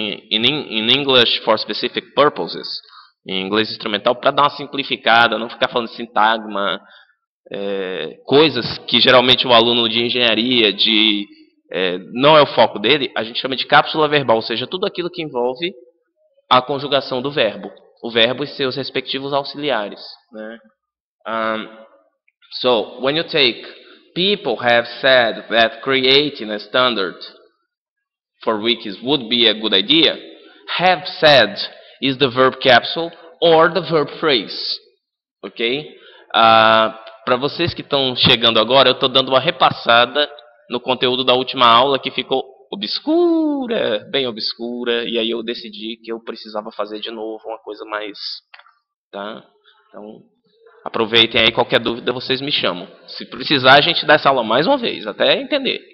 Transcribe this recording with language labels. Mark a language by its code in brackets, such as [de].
[en] In English, for specific purposes, [pt] em inglês instrumental, para dar uma simplificada, não ficar falando sintagma, coisas que geralmente o aluno de engenharia não é o foco dele, a gente chama de cápsula verbal, ou seja, tudo aquilo que envolve a conjugação do verbo. O verbo e seus respectivos auxiliares. Né? [en] So, when you take people have said that creating a standard for wikis would be a good idea. Have said is the verb capsule or the verb phrase. Ok? [pt] Para vocês que estão chegando agora, eu estou dando uma repassada no conteúdo da última aula que ficou obscura, bem obscura. E aí eu decidi que eu precisava fazer de novo uma coisa mais... Tá? Então... Aproveitem aí, qualquer dúvida vocês me chamam. Se precisar, a gente dá essa aula mais uma vez, até entender.